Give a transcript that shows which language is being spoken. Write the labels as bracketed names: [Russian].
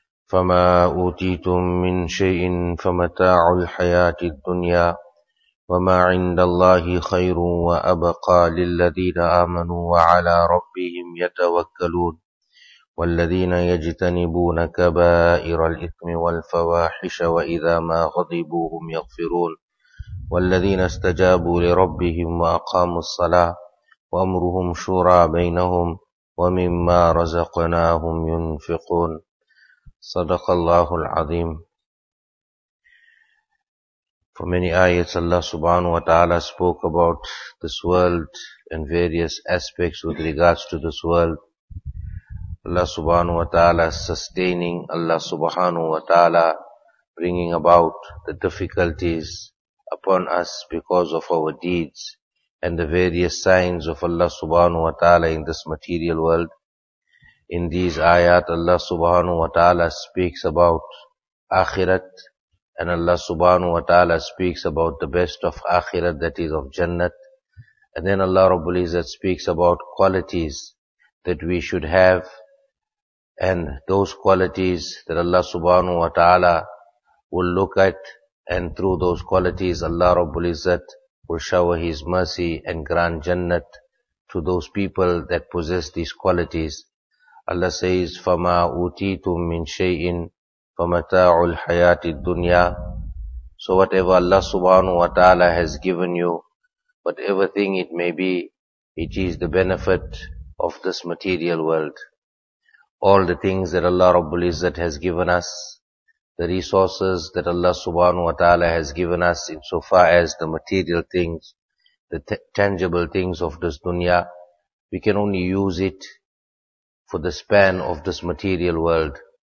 [Arabic] فما أوتيتم من شيء فمتاع الحياة الدنيا وما عند الله خير وأبقى للذين آمنوا وعلى ربهم يتوكلون والذين يجتنبون كبائر الإثم والفواحش وإذا ما غضبوا هم يغفرون والذين استجابوا لربهم وأقاموا الصلاة وأمرهم شورى بينهم ومما رزقناهم ينفقون صدق الله العظيم. [English] For many ayats Allah subhanahu wa ta'ala spoke about this world and various aspects with regards to this world. Allah subhanahu wa ta'ala sustaining, Allah subhanahu wa ta'ala bringing about the difficulties upon us because of our deeds, and the various signs of Allah subhanahu wa ta'ala in this material world. In these ayat, Allah subhanahu wa ta'ala speaks about akhirat, and Allah subhanahu wa ta'ala speaks about the best of akhirat, that is of jannat. And then Allah Rabbul Izzat speaks about qualities that we should have, and those qualities that Allah subhanahu wa ta'ala will look at, and through those qualities Allah Rabbul Izzat will shower His mercy and grant jannat to those people that possess these qualities. [Arabic] Allah says, فَمَا أُوتِيتُم مِّن شَيْءٍ فَمَتَاعُ الْحَيَاةِ الدُّنْيَا. [English] So whatever Allah subhanahu wa ta'ala has given you, whatever thing it may be, it is the benefit of this material world. All the things that Allah Rabbul Izzat has given us, the resources that Allah subhanahu wa ta'ala has given us insofar as the material things, the tangible things of this dunya, we can only use it for the span of this material world.